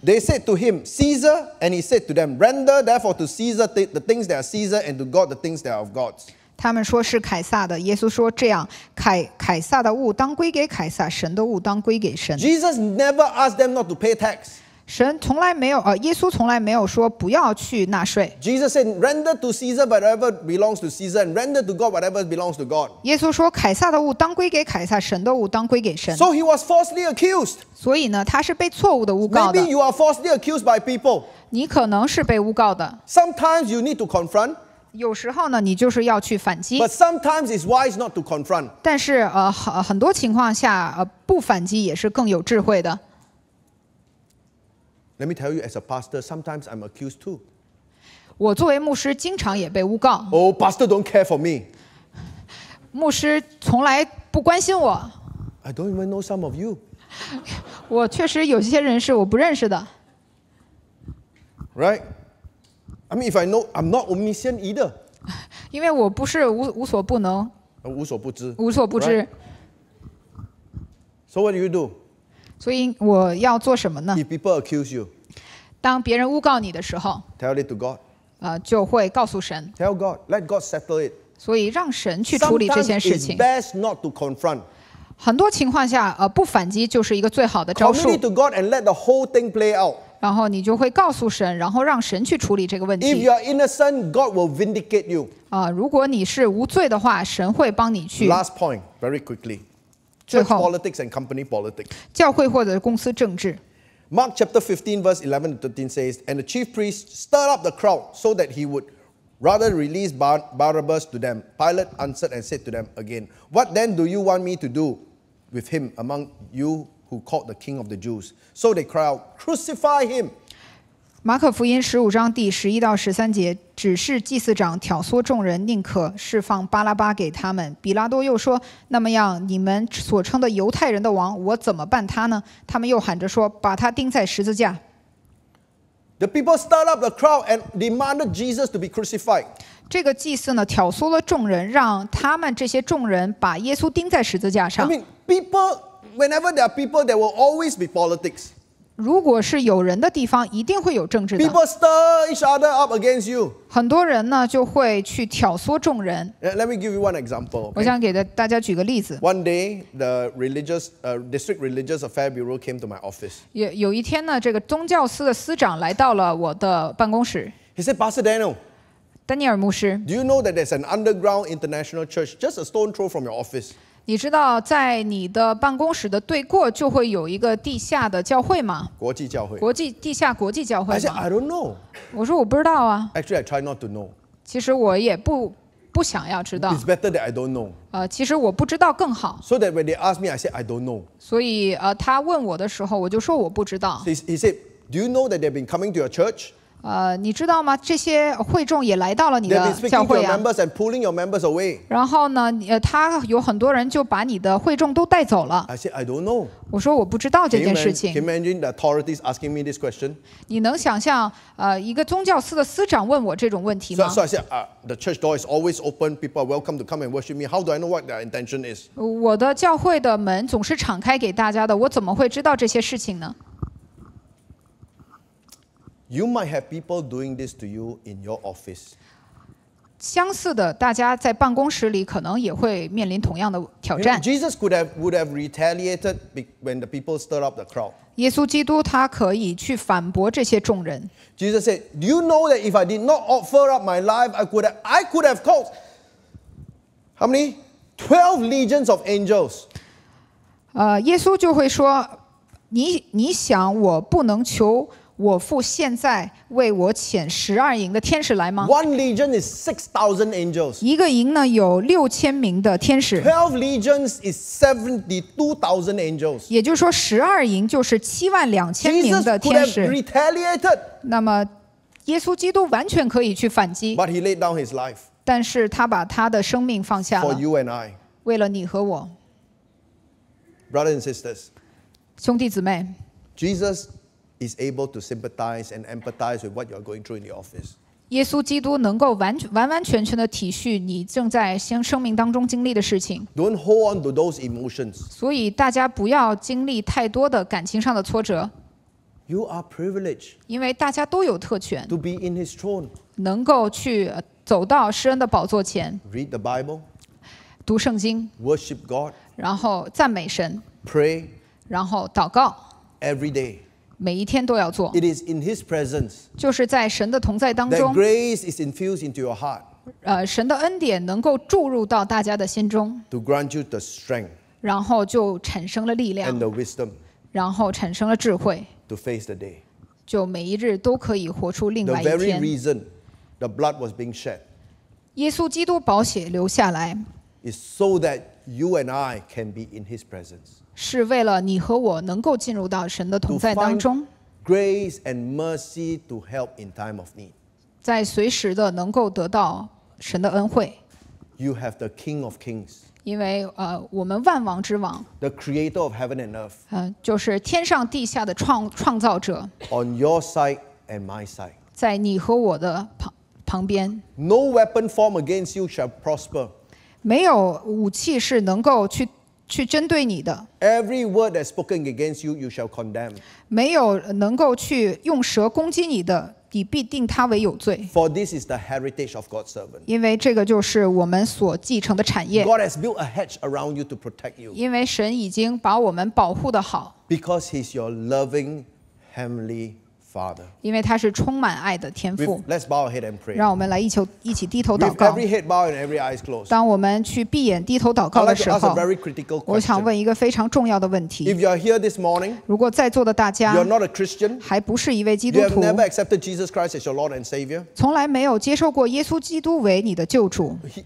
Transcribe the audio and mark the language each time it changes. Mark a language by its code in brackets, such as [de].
[en] They said to him, Caesar, and he said to them, Render therefore to Caesar the things that are Caesar, and to God the things that are of God. [zh] 他们说是凯撒的，耶稣说这样，凯撒的物当归给凯撒，神的物当归给神。 [en] Jesus never asked them not to pay tax. [zh] 神从来没有，耶稣从来没有说不要去纳税。 [en] Jesus said, Render to Caesar whatever belongs to Caesar, and render to God whatever belongs to God. [zh] 耶稣说凯撒的物当归给凯撒，神的物当归给神。 [en] So he was falsely accused. [zh] 所以呢，他是被错误的诬告的。 [en] Maybe you are falsely accused by people. [zh] 你可能是被诬告的。 [en] Sometimes you need to confront. [zh] 有时候呢，你就是要去反击。 [en] But sometimes it's wise not to confront. [zh] 但是很多情况下不反击也是更有智慧的。 [en] Let me tell you, as a pastor, sometimes I'm accused too. [zh] 我作为牧师，经常也被诬告。 [en] Oh, pastor don't care for me. [zh] 牧师从来不关心我。 [en] I don't even know some of you. [zh] 我确实有些人是我不认识的。 [en] Right? I mean, if I know, I'm not omniscient either. [zh] 因为我不是无所不能。无所不知。无所不知。 [en] So what do you do? [zh] 所以我要做什么呢？ [en] If people accuse you, [zh] 当别人诬告你的时候， [en] tell it to God. [zh] 就会告诉神。 [en] Tell God, let God settle it. [zh] 所以让神去处理这件事情。 [en] Sometimes it's best not to confront. [zh] 很多情况下不反击就是一个最好的招数。 [en] Commit to God and let the whole thing play out. [zh] 然后你就会告诉神，然后让神去处理这个问题。 [en] If you are innocent, God will vindicate you. [zh] 如果你是无罪的话，神会帮你去。 [en] Last point, very quickly. Church politics and company politics. [zh] 教会或者公司政治。 [en] Mark chapter 15 verse 11 to 13 says, And the chief priest stirred up the crowd so that he would rather release Barabbas to them. Pilate answered and said to them again, What then do you want me to do? With him among you who called the king of the Jews. So they cry out, Crucify him! [zh] 马可福音十五章第十一到十三节，只是祭司长挑唆众人，宁可释放巴拉巴给他们。比拉多又说，那么样，你们所称的犹太人的王，我怎么办他呢？他们又喊着说，把他钉在十字架。 [en] The people stirred up the crowd and demanded Jesus to be crucified. [zh] 这个祭司呢，挑唆了众人，让他们这些众人把耶稣钉在十字架上。 [en] People, whenever there are people, there will always be politics. [zh] 如果是有人的地方，一定会有政治的。 [en] People stir each other up against you. [zh] 很多人呢就会去挑唆众人。 [en] Let me give you one example. [zh] 我想给大家举个例子。 [en] One day, the religious, district religious affairs bureau came to my office. [zh] 有一天呢，这个宗教司的司长来到了我的办公室。 [en] He said, Pastor Daniel. [zh] 丹尼尔牧师。 [en] Do you know that there's an underground international church just a stone throw from your office? [zh] 你知道在你的办公室的对过就会有一个地下的教会吗？国际教会。地下国际教会吗？ [en] I said, I don't know. [zh] 我说我不知道啊。 [en] Actually, I try not to know. [zh] 其实我也不想要知道。 [en] It's better that I don't know. [zh] 其实我不知道更好。 [en] So that when they ask me, I said, I don't know. [zh] 所以他问我的时候，我就说我不知道。 [en] He said, do you know that they've been coming to your church? [zh] 你知道吗？这些会众也来到了你的教会啊。 [en] members and pulling your members away. [zh] 然后呢，他有很多人就把你的会众都带走了。 [en] I said I don't know. [zh] 我说我不知道这件事情。 [en] Can you imagine the authorities asking me this question? [zh] 你能想象一个宗教司的司长问我这种问题吗 [en] ？So I said, the church door is always open. People are welcome to come and worship me. How do I know what their intention is? [zh] 我的教会的门总是敞开给大家的，我怎么会知道这些事情呢？ [en] You might have people doing this to you in your office. [zh] 相似的，大家在办公室里可能也会面临同样的挑战。 [en] Jesus would have retaliated when the people stirred up the crowd. [zh] 耶稣基督他可以去反驳这些众人。 [en] Jesus said, "Do you know that if I did not offer up my life, I could have caused how many 12 legions of angels?" [zh] 耶稣就会说，你想我不能求。我父现在为我遣十二营的天使来吗 [en] ？One legion is 6,000 angels. [zh] 一个营呢有6,000名的天使。 [en] 12 legions is 72,000 angels. [zh] 也就是说，十二营就是72,000名的天使。 [en] Jesus could have retaliated. [zh] 那么，耶稣基督完全可以去反击。 [en] But he laid down his life. [zh] 但是他把他的生命放下了。 [en] For you and I. [zh] 为了你和我。 [en] Brothers and sisters. [zh] 兄弟姊妹。 [en] Jesus. Is able to sympathize and empathize with what you are going through in the office. [zh] 耶稣基督能够完全的体恤你正在生命当中经历的事情。 [en] Don't hold on to those emotions. [zh] 所以大家不要经历太多的感情上的挫折。 [en] You are privileged. [zh] 因为大家都有特权。 [en] To be in His throne. [zh] 能够去走到施恩的宝座前。 [en] Read the Bible. [zh] 读圣经。 [en] Worship God. [zh] 然后赞美神。 [en] Pray. [zh] 然后祷告。 [en] Every day. [zh] 每一天都要做。 [en] It is in His presence. [zh] 就是在神的同在当中。 [en] That grace is infused into your heart. [zh] 神的恩典能够注入到大家的心中。 [en] To grant you the strength. [zh] 然后就产生了力量。 [en] And the wisdom. [zh] 然后产生了智慧。 [en] To face the day. [zh] 就每一日都可以活出另外一天。 [en] The very reason the blood was being shed. [zh] 耶稣基督宝血流下来。 [en] Is so that you and I can be in His presence. [zh] 是为了你和我能够进入到神的同在当中 [en] grace and mercy to help in time of need. [zh] 在随时的能够得到神的恩惠 [en] You have the King of Kings. [zh] 因为我们万王之王 [en] The Creator of heaven and earth. [zh] 就是天上地下的创造者 [en] On your side and my side. [zh] 在你和我的旁边 [en] No weapon formed against you shall prosper. [zh] 没有武器是能够去针对你的。 [en] Every word that's spoken against you, you shall condemn. [zh] 没有能够去用舌攻击你的，你必定他为有罪。 [en] For this is the heritage of God's servant. [zh] 因为这个就是我们所继承的产业。 [en] God has built a hedge around you to protect you. [zh] 因为神已经把我们保护的好。 [en] Because He's your loving heavenly Father. [zh] 因为他是充满爱的天父。 [en] Let's bow our head and pray. [zh] 让我们来一起低头祷告。 [en] With every head bowed and every eyes closed. [zh] 当我们去闭眼低头祷告的时候。 [en] I'd like to ask a very critical question. [zh] 我想问一个非常重要的问题。 [en] If you are here this morning. [zh] 如果在座的大家。 [en] You're not a Christian. [zh] 还不是一位基督徒。 [en] You have never accepted Jesus Christ as your Lord and Savior. [zh] 从来没有接受过耶稣基督为你的救主。